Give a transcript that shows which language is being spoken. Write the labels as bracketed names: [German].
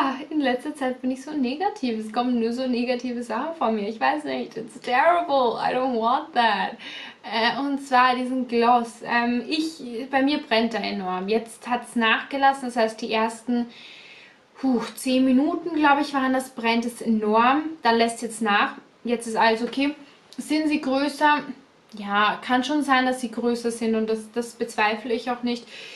[German] In letzter Zeit bin ich so negativ. Es kommen nur so negative Sachen von mir. Ich weiß nicht. [English] It's terrible. I don't want that. [German] Und zwar diesen Gloss. Bei mir brennt er enorm. Jetzt hat es nachgelassen. Das heißt, die ersten Puh, 10 Minuten, glaube ich, waren das, brennt es enorm. Dann lässt jetzt nach. Jetzt ist alles okay. Sind sie größer? Ja, kann schon sein, dass sie größer sind und das bezweifle ich auch nicht.